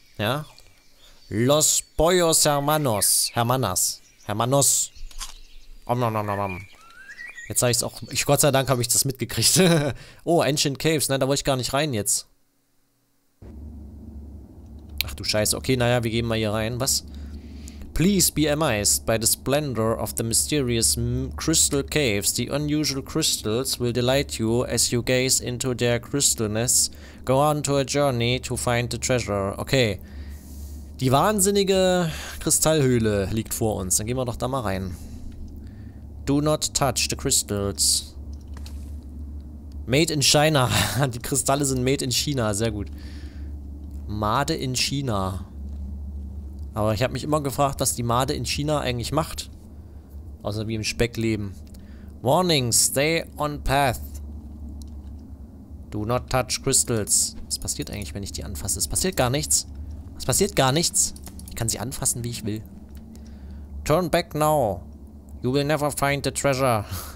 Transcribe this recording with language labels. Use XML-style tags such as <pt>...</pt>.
<de>Ja. Los Pollos Hermanos. Hermanas. Hermanos. Om nom nom nom nom. Jetzt habe ich es auch. Ich, Gott sei Dank habe ich das mitgekriegt. Oh, Ancient Caves. Nein, da wollte ich gar nicht rein jetzt. Ach du Scheiße. Okay, naja, wir gehen mal hier rein. Was?</de> <en>Please be amazed by the splendor of the mysterious crystal caves. The unusual crystals will delight you as you gaze into their crystalness. Go on to a journey to find the treasure. Okay.</en> <de>Die wahnsinnige Kristallhöhle liegt vor uns. Dann gehen wir doch da mal rein.</de> <en>Do not touch the crystals. Made in China.</en> <de>Die Kristalle sind</de> <en>made in China.</en> <de>Sehr gut. Made in China. Aber ich habe mich immer gefragt, was die Made in China eigentlich macht. Außer wie im Speck leben.</de> <en>Warning, stay on path. Do not touch crystals.</en> <de>Was passiert eigentlich, wenn ich die anfasse? Es passiert gar nichts. Es passiert gar nichts. Ich kann sie anfassen, wie ich will.</de> <en>Turn back now. You will never find the treasure.</en>